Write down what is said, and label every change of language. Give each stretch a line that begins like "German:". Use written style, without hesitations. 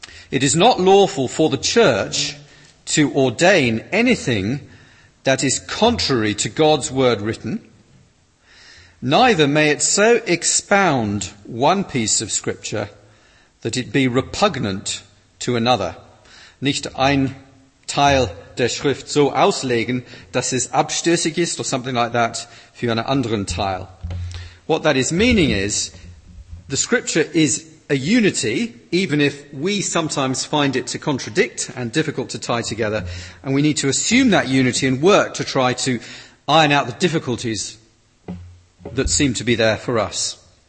English: It is not lawful for the Church to ordain anything that is contrary to God's word written, neither may it so expound one piece of scripture that it be repugnant to another.
German: Nicht ein Teil der Schrift so auslegen, dass es abstößig ist,
English: or something like that,
German: für einen anderen Teil.
English: What that is meaning is, the scripture is a unity, even if we sometimes find it to contradict and difficult to tie together, and we need to assume that unity and work to try to iron out the difficulties that seem to be there for us.